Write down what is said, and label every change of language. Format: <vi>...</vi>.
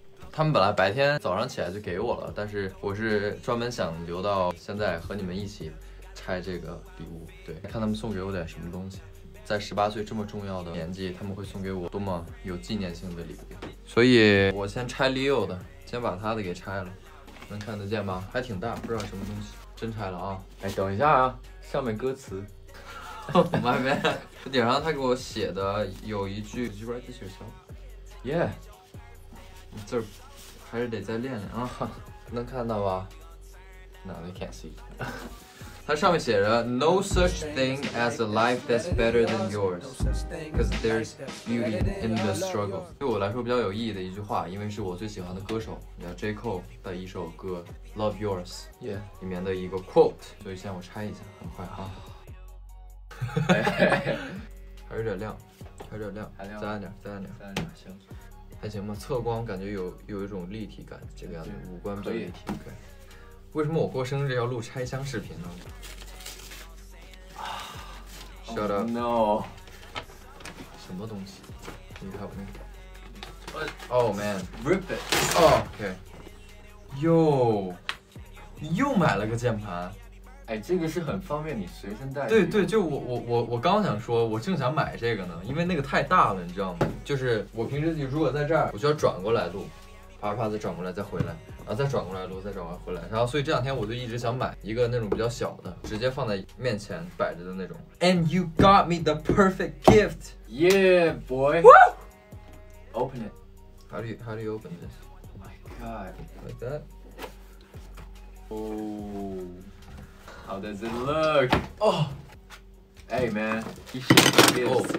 <zh>他们本来白天早上起来就给我了，但是我是专门想留到现在和你们一起拆这个礼物，对，看他们送给我点什么东西。在18岁这么重要的年纪，他们会送给我多么有纪念性的礼物。所以我先拆 Leo 的，先把他的给拆了，能看得见吗？还挺大，不知道什么东西。真拆了啊。哎，等一下啊，上面歌词。</zh> <en>My man，</en> <zh>这顶上他给我写的有一句</zh> <en>Did you write this yourself?</en> <zh>Yeah，字儿还是得再练练啊，能看到吧？</zh> <en>No, they can't see.</en> <zh>它上面写着</zh> <en>No such thing as a life that's better than yours, because there's beauty in the struggle.</en> <zh>对我来说比较有意义的一句话，因为是我最喜欢的歌手叫 J. Cole 的一首歌 Love Yours， yeah，里面的一个 quote。所以先我拆一下，很快啊。还是有点亮，再暗点，行。还行吧，侧光感觉有一种立体感，这个样子五官比较立体。对，为什么我过生日要录拆箱视频呢？啊 ，</zh> <en>shut up no，</en> <zh>什么东西？你看我那个 ，</zh> <en>Oh man， rip it，</en> <zh>OK， 又你又买了个键盘。哎，这个是很方便你随身带的。对对，就我刚想说，我正想买这个呢，因为那个太大了，你知道吗？就是我平时如果在这儿，我就要转过来录，啪啪再转过来再回来，然后再转过来录，再转过来回来。然后所以这两天我就一直想买一个那种比较小的，直接放在面前摆着的那种。</zh> <en>And you got me the perfect gift. Yeah, boy. Woo! Open it. How do you open this? Oh my god. Like that. Oh. How does it look? Oh, hey man, you should do this.</en>